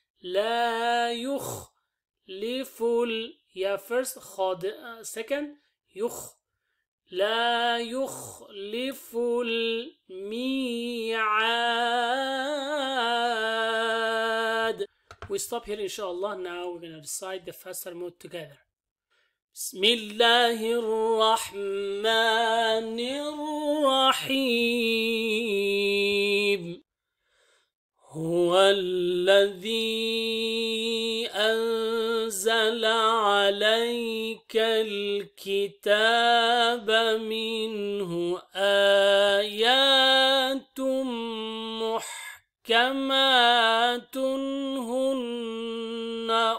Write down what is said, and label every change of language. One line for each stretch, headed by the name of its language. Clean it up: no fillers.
Arabic: لا يخلف ال,
English: yeah, first
Arabic: خاد,
English: second
Arabic: يخ, لا يخلف الميعاد.
English: We stop here inshallah. Now we're gonna recite the faster mode together.
Arabic: بسم الله الرحمن الرحيم هو الذي أنزل عليك الكتاب منه آيات محكمات هن